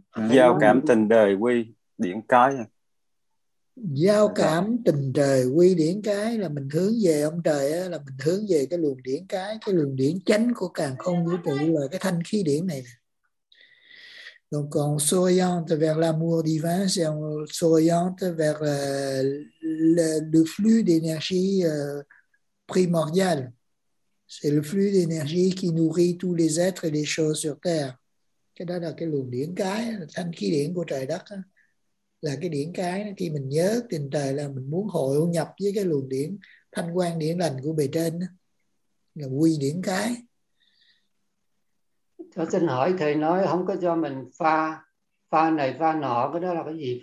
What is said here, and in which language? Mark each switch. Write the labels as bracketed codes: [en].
[vi] Giao cảm tình đời quy điển cái. Giao cảm tình trời quy điển cái là mình hướng về ông trời á, là mình hướng về cái luồng điển cái. Cái luồng điển chánh của càn khôn vũ trụ là cái thanh khí điển này. [fr] Donc on s'oriente vers l'amour divin, c'est on s'oriente vers le flux d'énergie primordial. C'est le flux d'énergie qui nourrit tous les êtres et les choses sur terre. [vi] Cái đó là cái luồng điển cái, thanh khí điển của trời đất. Là cái điển cái, khi mình nhớ tình trời là mình muốn hội nhập với cái luồng điển, thanh quang điển lành của bề trên. Là quy điển cái. Tôi xin hỏi thầy, nói không có cho mình pha này pha nọ, cái đó là cái gì?